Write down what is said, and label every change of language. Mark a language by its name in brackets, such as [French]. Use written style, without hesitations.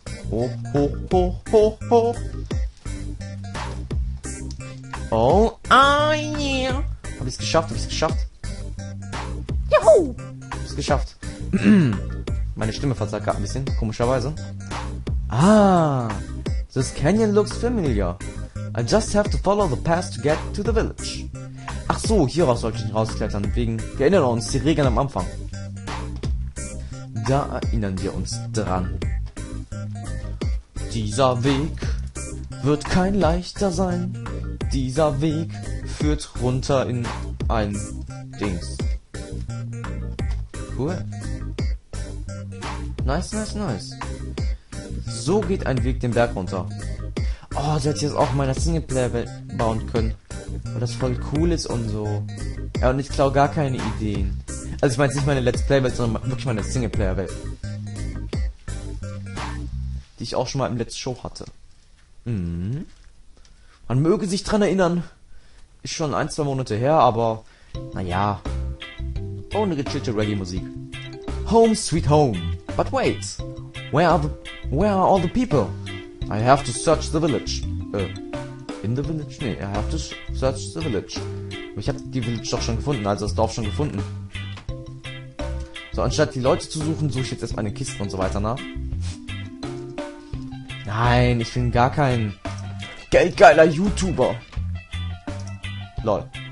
[English] Ho, ho, ho, ho, ho. Oh, yeah. [German] Hab ich's geschafft, hab ich's geschafft. Juhu! Hab's geschafft. Meine Stimme verzerrt gerade ein bisschen, komischerweise. [English] Ah, this canyon looks familiar. I just have to follow the path to get to the village. [German] Ach so, hier raus sollte ich nicht rausklettern, wegen, wir erinnern uns, die Regeln am Anfang. Da erinnern wir uns dran. Dieser Weg wird kein leichter sein. Dieser Weg führt runter in ein Dings. Cool. Nice, nice, nice. So geht ein Weg den Berg runter. Oh, so hätte ich jetzt auch meine Singleplayer-Welt bauen können. Weil das voll cool ist und so. Ja, und ich klaue gar keine Ideen. Also ich meine nicht meine Let's Play-Welt, sondern wirklich meine Singleplayer-Welt. Die ich auch schon mal im Let's Show hatte. Mhm. Man möge sich dran erinnern. Ist schon ein, zwei Monate her, aber... Naja. Ohne gechillte Reggae-Musik. [English] Home sweet home. But wait. Where are all the people? I have to search the village. In the village? Nee, I have to search the village. [German] Aber ich habe die Village doch schon gefunden, also das Dorf schon gefunden. So, anstatt die Leute zu suchen, suche ich jetzt erstmal eine Kiste und so weiter nach. Nein, ich bin gar kein geldgeiler YouTuber. Lol.